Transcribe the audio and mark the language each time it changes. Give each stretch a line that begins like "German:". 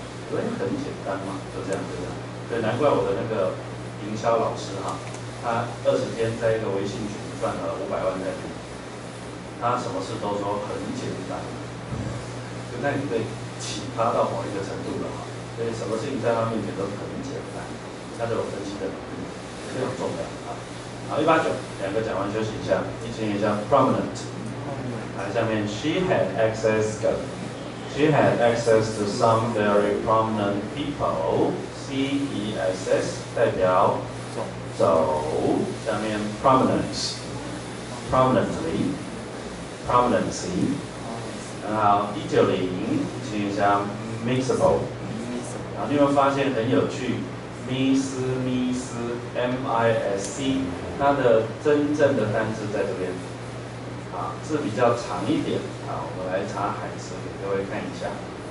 Chinese: 所以很简单嘛，就这样，就这样。对，难怪我的那个营销老师哈，他二十天在一个微信群赚了500万在里，他什么事都说很简单，就那你被启发到某一个程度了哈，所以什么事情在他面前都很简单，他都有分析的能力，非常重要啊。好，189，两个讲完休息一下，一群也叫 prominent， 来下面 she had access to。
English: She had access to some very prominent people. C-E-S-S
Chinese: 代表走，下面
English: prominence, prominently, prominency.
Chinese: 然后190，请一下 mixable。然后你会发现很有趣 ，miss，miss，M-I-S-C， 它的真正的单字在这边。啊，字比较长一点啊，我们来查海词给各位看一下。